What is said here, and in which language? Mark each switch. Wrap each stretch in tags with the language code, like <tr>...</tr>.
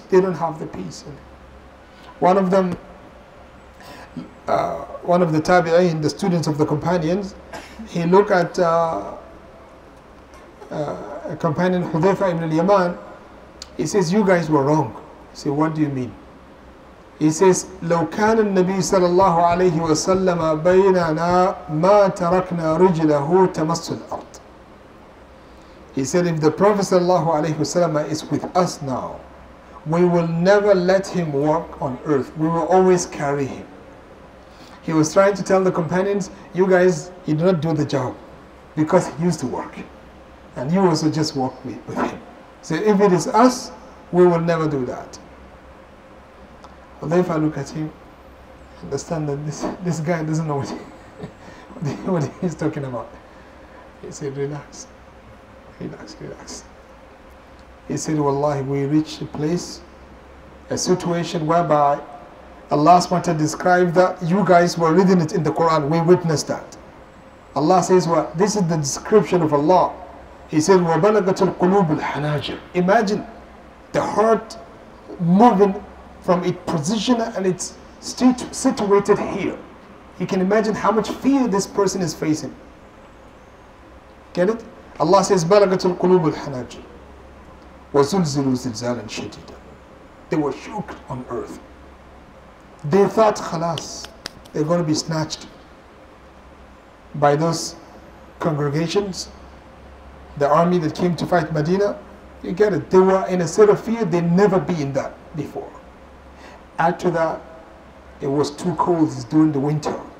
<en>They don't have the peace. One of them, one of the tabi'in, the students of the companions, he looked at a companion, Hudhayfa ibn al-Yaman. He says, "You guys were wrong." He said, "What do you mean?"</en> <ar>He says, "لو كان النبي صلى الله عليه وسلم بيننا ما تركنا رجله تمس الأرض."</ar> <en>He said, "If the Prophet sallallahu alaihi wasallam is with us now, we will never let him walk on earth. We will always carry him." He was trying to tell the companions, "You guys, you do not do the job, because he used to walk, and you also just walk with him. So if it is us, we will never do that." But if I look at him, understand that this guy doesn't know what he's talking about. He said, "Relax. Relax, relax." He said, "Wallahi, we reached a place, a situation whereby Allah SWT described that you guys were reading it in the Quran. We witnessed that." Allah says, "Well, this is the description of Allah."</en> <ar>He said, "وَبَلَغَتُ الْقُلُوبُ الْحَنَاجِرِ."</ar> <en>Imagine the heart moving from its position and its situated here. You can imagine how much fear this person is facing. Get it? Allah says,</en> <ar>"بَلَغَتُ الْقُلُوبُ الْحَنَاجِرِ وَزُلْزِلُوا زِلْزَالًا شَدِيدًا."</ar> <en>They were shook on earth. They thought, khalas, they're going to be snatched by those congregations, the army that came to fight Medina. You get it? They were in a state of fear. They'd never been that before. After that, it was too cold. It's during the winter.</en>